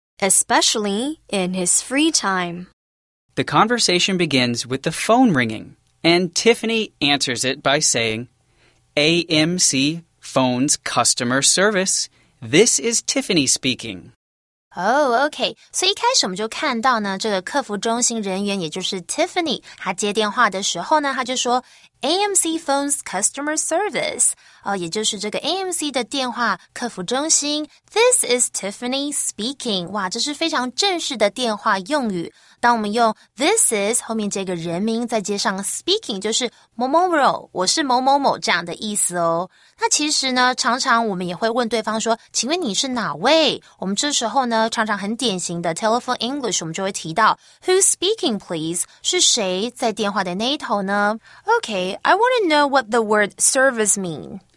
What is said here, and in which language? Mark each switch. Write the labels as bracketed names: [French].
[English] especially in his free time. The conversation begins with the phone ringing, and Tiffany answers it by saying, AMC Phones Customer Service. This is Tiffany speaking. Oh, okay. [Chinese] 所以一开始我们就看到呢，这个客服中心人员，也就是 Tiffany, 她接电话的时候呢，她就说 AMC Phones Customer Service, 也就是这个 AMC 的电话客服中心。 [English] This is Tiffany speaking. [Chinese] 哇，这是非常正式的电话用语。当我们用 this is 后面这个人名再接上 speaking, 就是某某某，我是某某某这样的意思哦。那其实呢，常常我们也会问对方说，请问你是哪位？我们这时候呢，常常很典型的 telephone English, 我们就会提到 [English] who's speaking please? [Chinese] 是谁在电话的那一头呢？ [English] Okay, I want to know what the word service mean.